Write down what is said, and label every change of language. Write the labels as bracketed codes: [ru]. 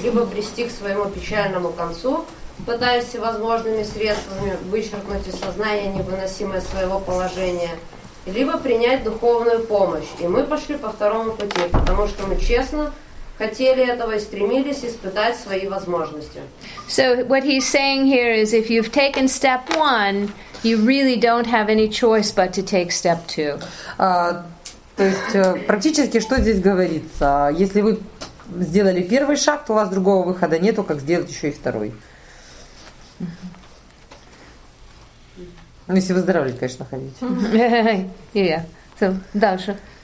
[ru] Либо прийти к своему печальному концу, пытаясь всевозможными средствами вычеркнуть из сознания невыносимое своего положения, либо принять духовную помощь. И мы пошли по второму пути, потому что мы честно хотели этого и стремились испытать свои возможности. [en] So what he's saying here is, if you've taken step one, you really don't have any choice but to take step two. [ru] То есть практически что здесь говорится? Если вы сделали первый шаг, то у вас другого выхода нету, как сделать еще и второй. Ну, если выздоравливать, конечно, ходить. [en] Yeah. So, [ru] дальше.